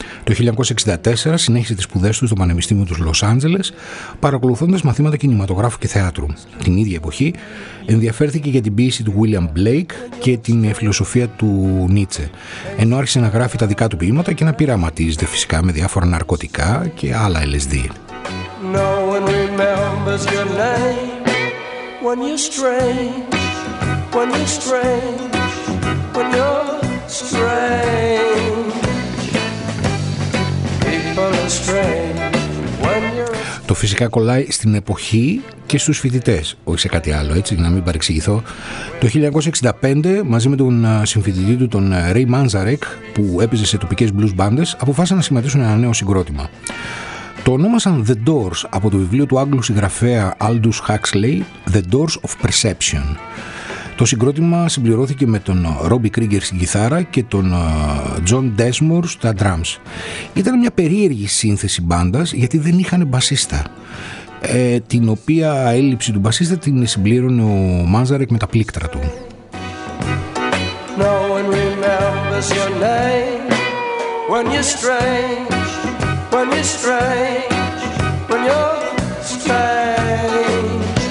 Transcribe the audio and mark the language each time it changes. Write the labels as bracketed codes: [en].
[el] Το 1964 συνέχισε τις σπουδές του στο Πανεπιστήμιο του Λος Άντζελες, παρακολουθώντας μαθήματα κινηματογράφου και θεάτρου. Την ίδια εποχή ενδιαφέρθηκε για την ποίηση του William Blake και την φιλοσοφία του Νίτσε, ενώ άρχισε να γράφει τα δικά του ποίηματα και να πειραματίζεται φυσικά με διάφορα ναρκωτικά και άλλα LSD. [en] No one remembers your name. When you're strange, when you're strange, when you're strange, people are strange. [el] Το φυσικά κολλάει στην εποχή και στους φοιτητές, όχι σε κάτι άλλο, έτσι, να μην παρεξηγηθώ. Το 1965, μαζί με τον συμφοιτητή του, τον Ray Manzarek, που έπαιζε σε τοπικές blues μπάντες, αποφάσισαν να σχηματίσουν ένα νέο συγκρότημα. Το ονόμασαν The Doors από το βιβλίο του Άγγλου συγγραφέα Aldous Huxley, The Doors of Perception. Το συγκρότημα συμπληρώθηκε με τον Ρόμπι Κρίγκερ στην κιθάρα και τον Τζον Ντέσμορ στα drums. Ήταν μια περίεργη σύνθεση μπάντας γιατί δεν είχαν μπασίστα. Την οποία έλλειψη του μπασίστα την συμπλήρωνε ο Manzarek με τα πλήκτρα του. [en] No one remembers your name when you're strange. When you're strange, when you're strange.